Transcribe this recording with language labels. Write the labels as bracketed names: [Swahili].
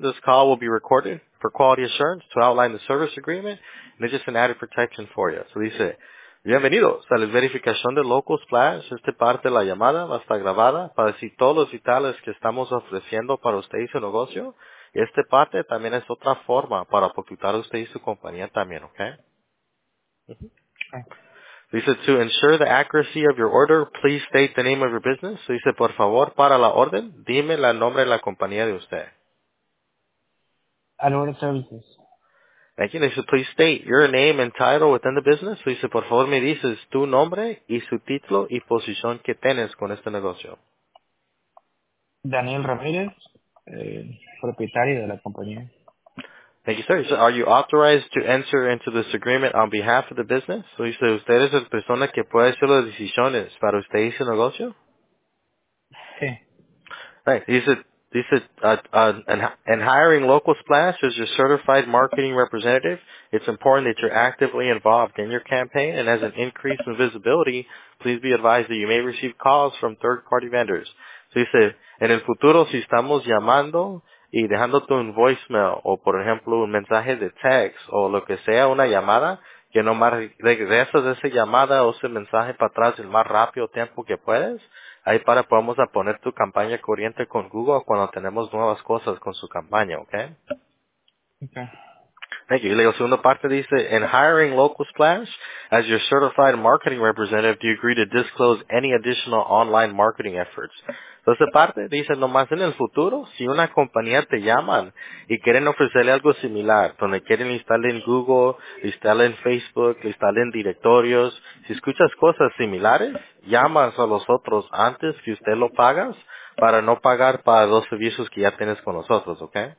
[English] This call will be recorded for quality assurance to outline the service agreement, and it's just an added protection for you. So he said, [Spanish] bienvenidos a la verificación de Local Splash. Esta parte de la llamada va a estar grabada para decir todos los vitales que estamos ofreciendo para usted y su negocio. Y esta parte también es otra forma para apoyar a usted y su compañía también, ¿ok? [English] He said, to ensure the accuracy of your order, please state the name of your business. So he said, [Spanish] por favor, para la orden, dime el nombre de la compañía de usted. [English] An order services. Thank you. And he said, please state your name and title within the business. So he said, [Spanish] por favor, me dices tu nombre y su título y posición que tienes con este negocio. Daniel Ramírez, propietario de la compañía. [English] Thank you, sir. He said, are you authorized to enter into this agreement on behalf of the business? So he said, [Spanish] ¿usted es la persona que puede hacer las decisiones para usted y su negocio? Sí. [English] Right. He said, and hiring local splash as your certified marketing representative, it's important that you're actively involved in your campaign, and as an increase in visibility, please be advised that you may receive calls from third-party vendors. So he said, [Spanish] en el futuro, si estamos llamando y dejándote un voicemail, o por ejemplo, un mensaje de text, o lo que sea, una llamada, que nomás regresas esa llamada o ese mensaje para atrás el más rápido tiempo que puedes, ahí para podemos a poner tu campaña corriente con Google cuando tenemos nuevas cosas con su campaña, ¿okay? [English] Okay. Thank you. [Spanish] Y luego, segunda parte dice, [English] in hiring Local Splash, as your certified marketing representative, do you agree to disclose any additional online marketing efforts? [Spanish] Entonces, parte dice, nomás en el futuro, si una compañía te llaman y quieren ofrecerle algo similar, donde quieren instalar en Google, instalar en Facebook, instalar en directorios, si escuchas cosas similares, llamas a los otros antes que usted lo pagas para no pagar para los servicios que ya tienes con nosotros, ¿ok?